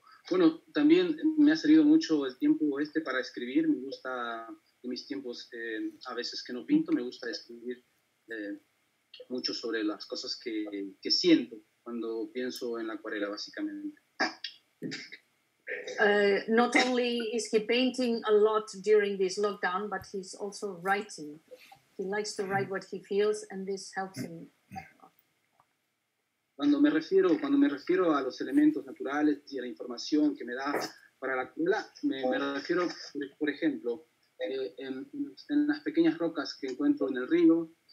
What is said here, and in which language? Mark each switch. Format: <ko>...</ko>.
<es>Bueno, también me ha servido mucho el tiempo este para escribir. Me gusta, en mis tiempos, a veces que no pinto, me gusta escribir mucho sobre las cosas que siento cuando pienso en la acuarela, básicamente.</es> <en>Not only is he painting a lot during this lockdown, but he's also writing. He likes to write what he feels, and this helps him.</en> <es>Cuando me refiero a los elementos naturales y a la información que me da para la acuarela, me refiero, por ejemplo, en las pequeñas rocas que encuentro en el río.</es>